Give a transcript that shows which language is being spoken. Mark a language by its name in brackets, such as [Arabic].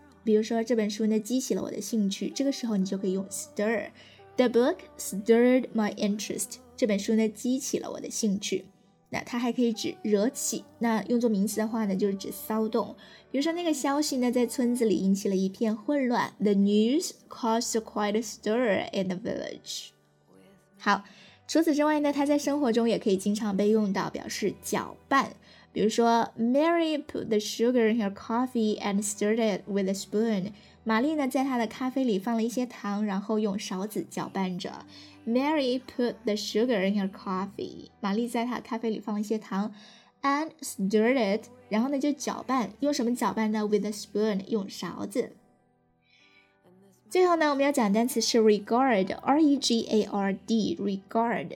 [Chinese] 比如说这本书呢激起了我的兴趣，这个时候你就可以用 stir。 [English] The book stirred my interest. [Chinese] 这本书呢激起了我的兴趣。那它还可以指惹起，那用作名词的话呢就是指骚动。比如说那个消息呢在村子里引起了一片混乱。 [English] The news caused quite a stir in the village. [Chinese] 好，除此之外呢它在生活中也可以经常被用到，表示搅拌。比如说 [English] Mary put the sugar in her coffee and stirred it with a spoon。 [Chinese] 玛丽呢在她的咖啡里放了一些糖，然后用勺子搅拌着。 [English] Mary put the sugar in her coffee. [Chinese] 玛丽在她咖啡里放了一些糖 [English] and stirred it. [Chinese] 然后呢就搅拌，用什么搅拌呢？ [English] With a spoon, [Chinese] 用勺子。最后呢我们要讲的单词是 regard, R-E-G-A-R-D, regard.